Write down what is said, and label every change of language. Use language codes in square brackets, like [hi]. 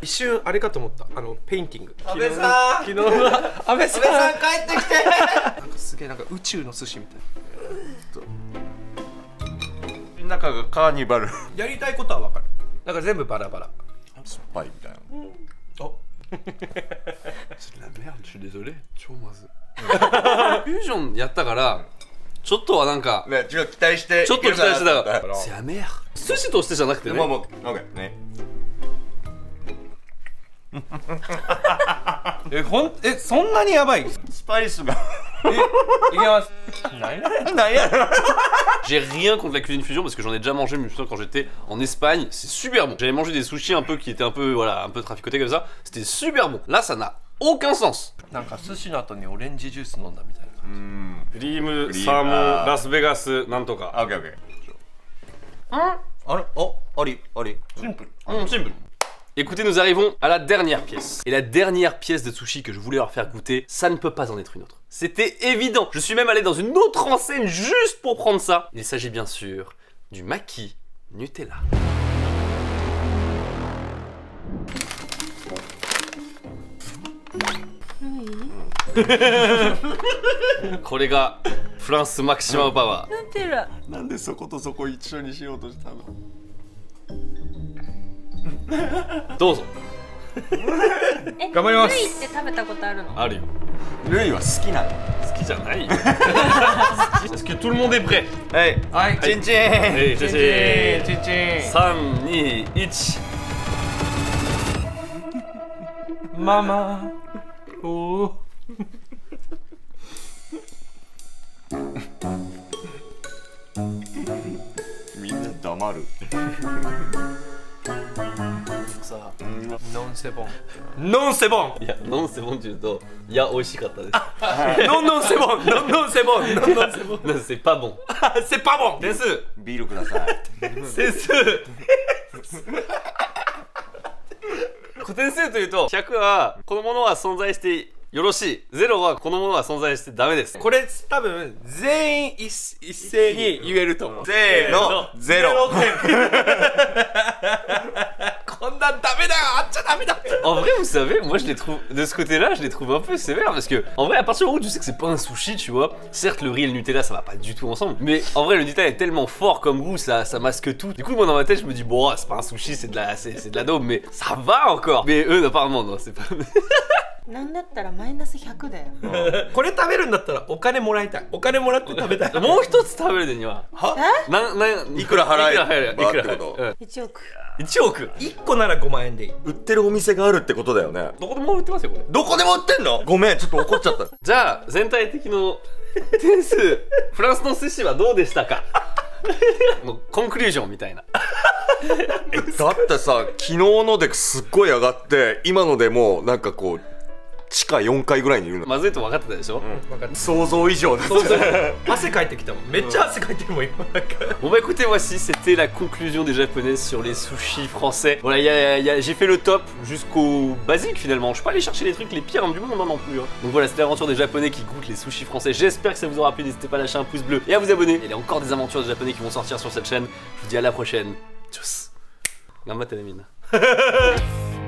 [ja] 一瞬あれかと思った。あのペインティング。阿部さん。昨日の阿部さん。阿部さん帰ってきて。なんかすげえなんか宇宙の寿司みたいな。中がカーニバル。やりたいことはわかる。なんか全部バラバラ。酸っぱいみたいな。あ、 [fr] C'est de la merde, je suis désolé. Tu vois, moi, Fusion, il y a ta gara. [ja] ちょっとはなんか、ね、ちょっと期待して、ちょっと期待してた。せやめや。寿司としてじゃなくてね。もうもう、オッケーね。え、ほん、え、そんなにやばい？スパイスが。え、いきます。ないな。ないな。 [fr] J'ai rien contre la cuisine fusion parce que j'en ai déjà mangé, mais quand j'étais en Espagne, c'est super bon. J'avais mangé des sushis un peu qui étaient un peu, voilà, un peu traficotés comme ça. C'était super bon. Là, ça n'a aucun sens. [ja] なんか寿司の後にオレンジジュース飲んだみたいな。クリームサーモンラスベガスなんとか。オッケーオッケー。 ん？あれ？あ、あり、あり。シンプル。シンプル。 [fr] Écoutez, nous arrivons à la dernière pièce. Et la dernière pièce de sushi que je voulais leur faire goûter, ça ne peut pas en être une autre. C'était évident. Je suis même allé dans une autre enseigne juste pour prendre ça. Il s'agit bien sûr du maki Nutella. [ja] これがフランスマキシマムパワー。 Nutella。なんでそことそこ一緒にしようとしたの？どうぞ。頑張ります。ルイって食べたことあるの？あるよ。ルイは好きなの？好きじゃないよ。 [fr] Est-ce que tout le monde est prêt？ [ja] はい、はい、チンチン、はい、チンチン、チンチン、チンチン、3、2、1。ママ、おお。みんな黙る。 [fr] Non c'est bon. Non c'est bon. Il y a non c'est bon du dos. Il y a aussi quand t'as. Non non c'est bon. Non non c'est bon. Non non c'est bon. Non c'est pas bon. C'est pas bon. Tessu. Bière, s'il vous plaît. Tessu. Quand Tessu, tu dis 100, c'est que ce monde existe. [ja] よろしい。ゼロはこのものは存在してダメです。これ多分全員 一斉に言えると思う。せーの、ゼロ。ゼロ点。こんなダメだよ、あっちゃダメだ。 [fr] En vrai, vous savez, moi je les trouve, de ce côté-là, je les trouve un peu sévères parce que, en vrai, à partir du moment où tu sais que c'est pas un sushi, tu vois, certes, le riz et le Nutella ça va pas du tout ensemble, mais en vrai, le Nutella est tellement fort comme goût, ça masque tout. Du coup, moi dans ma tête, je me dis, bon, c'est pas un sushi, c'est de la daube, mais ça va encore. Mais eux, apparemment, non, c'est pas. [ja] なんだったらマイナス100だよ。これ食べるんだったらお金もらいたい。お金もらって食べたい。もう一つ食べるには。は？な、いくら払える？いくら払える？いくら？ 1億。 1億。1個なら5万円でいい。売ってるお店があるってことだよね。どこでも売ってますよこれ。どこでも売ってんの？ごめん、ちょっと怒っちゃった。じゃあ全体的の点数、フランスの寿司はどうでしたか？もうコンクリュージョンみたいな。だってさ、昨日のですっごい上がって、今のでもうなんかこう。地下4階ぐらいにいるの。まずいと分かってたでしょ。うん、想像以上です。汗かいてきたもん。めっちゃ汗かいてるもん今。 [fr] Bon bah écoutez, voici, c'était la conclusion des japonaises sur les sushis français. Voilà, j'ai fait le top jusqu'au basique finalement. Je suis pas allé chercher les trucs les pires du monde non plus. Hein. Donc voilà, c'était l'aventure des japonais qui goûtent les sushis français. J'espère que ça vous aura plu. N'hésitez pas à lâcher un pouce bleu et à vous abonner. Il y a encore des aventures des japonais qui vont sortir sur cette chaîne. Je vous dis à la prochaine. Tchuss. Gamba tenemin.